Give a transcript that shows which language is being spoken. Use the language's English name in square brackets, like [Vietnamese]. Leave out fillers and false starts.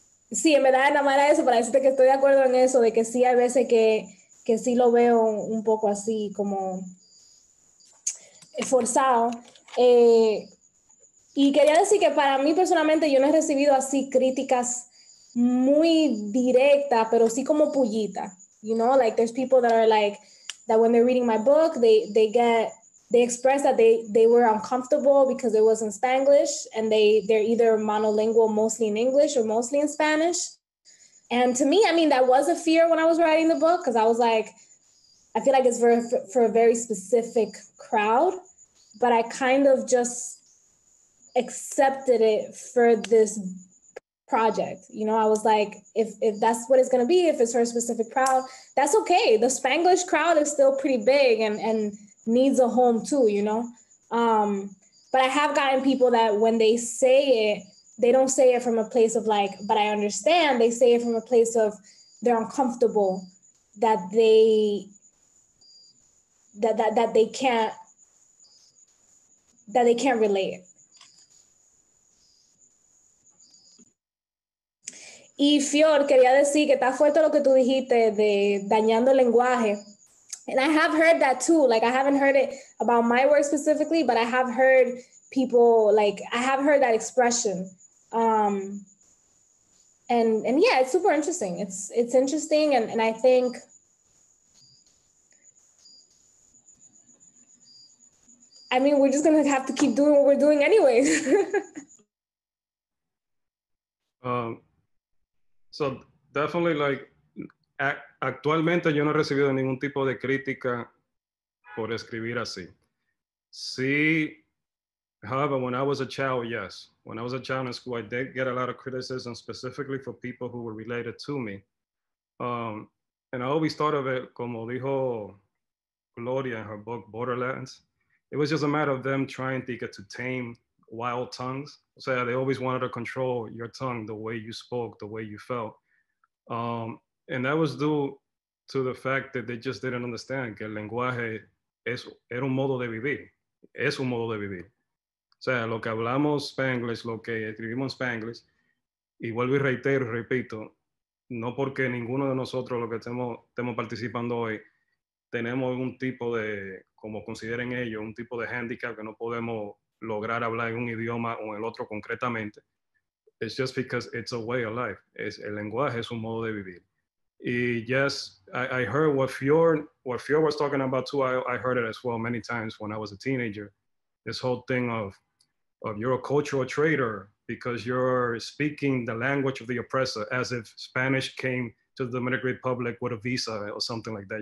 [Spanish] Sí, en verdad es nada más eso, para decirte que estoy de acuerdo en eso, de que sí hay veces que sí lo veo un poco así, como forzado. Y quería decir que para mí personalmente yo no he recibido así críticas muy directas, pero sí como pullita. [English] You know, like there's people that are like, that when they're reading my book, they express that they were uncomfortable because it was in Spanglish, and they're either monolingual, mostly in English, or mostly in Spanish. And to me, I mean, that was a fear when I was writing the book, because I was like, I feel like it's for a very specific crowd, but I kind of just accepted it for this project. You know, I was like, if that's what it's going to be, if it's for a specific crowd, that's okay. The Spanglish crowd is still pretty big and needs a home too, you know? But I have gotten people that when they say it, they don't say it from a place of like, but I understand. They say it from a place of they're uncomfortable, that they can't relate. [Spanish] Y Fior, quería decir que está fuerte lo que tú dijiste de dañando el lenguaje. [English] And I have heard that too. Like, I haven't heard it about my work specifically, but I have heard people, like, I have heard that expression. And yeah, it's super interesting. It's interesting. And I think, I mean, we're just going to have to keep doing what we're doing anyways. So definitely, like, [Spanish] actualmente yo no he recibido ningún tipo de crítica por escribir así. [English] Sí, however, when I was a child, yes. When I was a child in school, I did get a lot of criticism, specifically for people who were related to me. And I always thought of it, [Spanish] como dijo Gloria [English] in her book, Borderlands. It was just a matter of them trying to get to tame wild tongues. [Spanish] O sea, [English] they always wanted to control your tongue, the way you spoke, the way you felt. And that was due to the fact that they just didn't understand [Spanish] que el lenguaje era un modo de vivir. Es un modo de vivir. O sea, lo que hablamos Spanglish, lo que escribimos en Spanglish, y vuelvo y reitero, repito, no porque ninguno de nosotros, los que estemos participando hoy, tenemos algún tipo de, como consideren ellos, un tipo de handicap que no podemos lograr hablar en un idioma o en el otro concretamente. [English] It's just because it's a way of life. [Spanish] El lenguaje es un modo de vivir. [English] Y yes, I heard what Fior was talking about too. I heard it as well many times when I was a teenager. This whole thing of you're a cultural traitor because you're speaking the language of the oppressor, as if Spanish came to the Dominican Republic with a visa or something like that.